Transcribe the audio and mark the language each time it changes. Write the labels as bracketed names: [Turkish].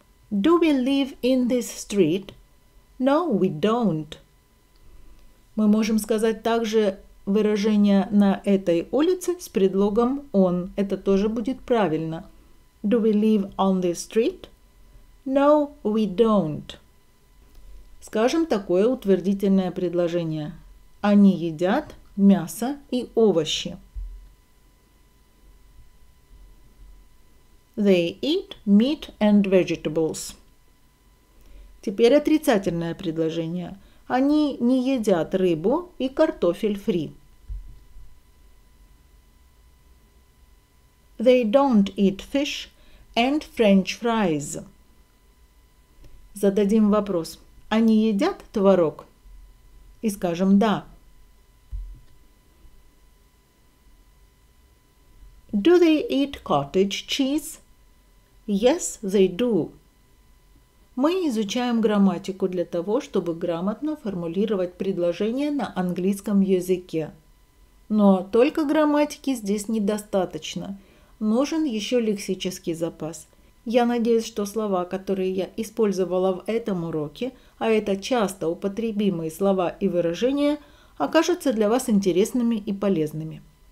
[English] Do we live in this street? No, we don't. [Russian] Мы можем сказать также выражение на этой улице с предлогом on. Это тоже будет правильно. [English] Do we live on this street? No, we don't. [Russian] Скажем такое утвердительное предложение. Они едят мясо и овощи. [English] They eat meat and vegetables. [Russian] Теперь отрицательное предложение. Они не едят рыбу и картофель фри. [English] They don't eat fish and French fries. [Russian] Зададим вопрос. Они едят творог? И скажем да. [English] Do they eat cottage cheese? Yes, they do. [Russian] Мы изучаем грамматику для того, чтобы грамотно формулировать предложения на английском языке. Но только грамматики здесь недостаточно. Нужен еще лексический запас. Я надеюсь, что слова, которые я использовала в этом уроке, а это часто употребимые слова и выражения, окажутся для вас интересными и полезными.